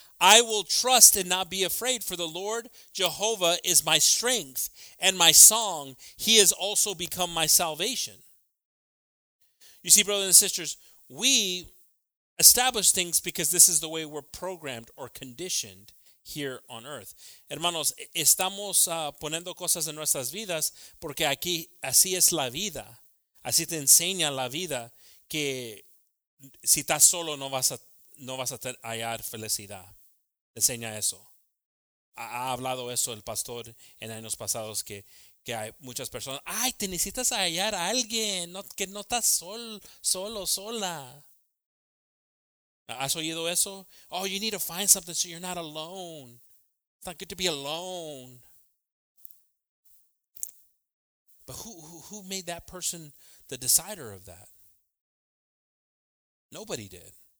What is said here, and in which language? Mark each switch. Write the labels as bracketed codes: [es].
[en] I will trust and not be afraid, for the Lord Jehovah is my strength and my song. He has also become my salvation. You see, brothers and sisters, we establish things because this is the way we're programmed or conditioned here on earth. [es] Hermanos, estamos poniendo cosas en nuestras vidas porque aquí así es la vida. Así te enseña la vida que si estás solo no vas a hallar felicidad. Enseña eso. Ha hablado eso el pastor en años pasados, que hay muchas personas. Ay, te necesitas hallar a alguien, no, que no estás sola. ¿Has oído eso? [en] Oh, you need to find something so you're not alone. It's not good to be alone. But who made that person the decider of that? Nobody did.